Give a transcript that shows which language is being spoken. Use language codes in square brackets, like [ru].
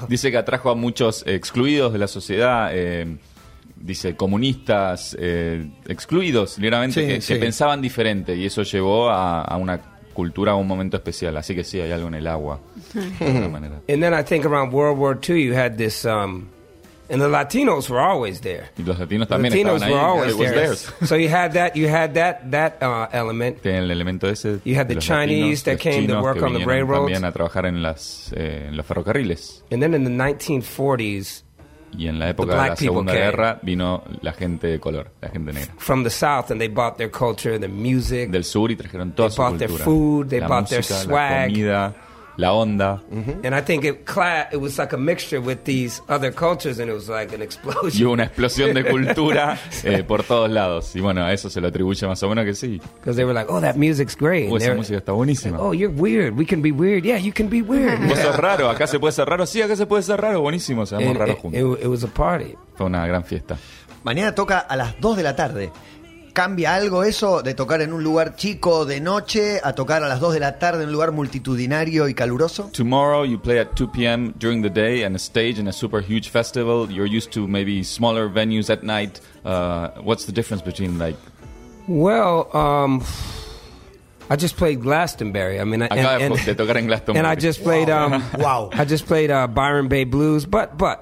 [es] Dice que atrajo a muchos excluidos de la sociedad, dice comunistas, excluidos, literalmente, que pensaban diferente, y eso llevó a una cultura, a un momento especial. Así que sí, hay algo en el agua, de alguna manera. [en] And then I think around World War II, you had this, and the Latinos were always there. [es] Y los latinos también estaban ahí. [en] Latinos were always there. So you had that, element. [es] Tenían el elemento ese. [en] You had the Chinese that came to work on the railroads. [es] También a trabajar en las en los ferrocarriles. [en] And then in the 1940s, [es] y en la época de la Segunda Guerra vino la gente de color, la gente negra. [en] From the South and they bought their culture, their music. [es] Del sur y trajeron toda su cultura. [en] They bought their food, they bought their swag. [es] La comida. La onda. [en] And I think it was like a mixture with these other cultures and it was like an explosion. [es] Y una explosión de cultura por todos lados. Y bueno, a eso se lo atribuye más o menos que sí. [en] Because they were like, oh, that music's great. [es] Esa música está buenísima. [en] Oh, you're weird. We can be weird. Yeah, you can be weird. [es] Vos sos raro. Acá se puede ser raro. Sí, acá se puede ser raro. Buenísimo. Seamos raros juntos. [en] It was a party. [es] Fue una gran fiesta. Mañana toca a las 2 de la tarde. ¿Cambia algo eso de tocar en un lugar chico de noche a tocar a las 2 de la tarde en un lugar multitudinario y caluroso? [en] Tomorrow you play at 2 p.m. during the day and a stage in a super huge festival. You're used to maybe smaller venues at night. What's the difference between like... Well, I just played Glastonbury. I mean, [es] de tocar en Glastonbury. [en] And I just played... I just played Byron Bay Blues, but...